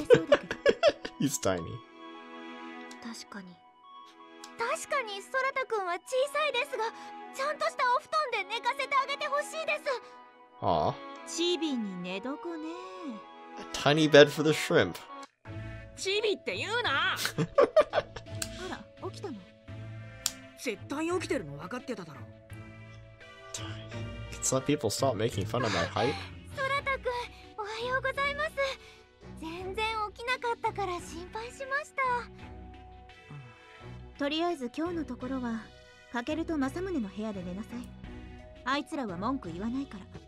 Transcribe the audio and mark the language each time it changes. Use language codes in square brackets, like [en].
[en] Little one. Can't share a room with the girls. He could sleep. He's tiny. [ja] 確かに、ソラタ君は小さいですが、ちゃんとしたお布団で寝かせてあげてほしいです。ああ。チビに寝床ね。 [en] A tiny bed for the shrimp. [ja] チビって言うな。あら、起きたの。絶対起きてるの分かってただろう。 [en] Can some people stop making fun of my height? [ja] ソラタ君、おはようございます。全然起きなかったから心配しました。とりあえず今日のところはカケルとマサムネの部屋で寝なさい。あいつらは文句言わないから。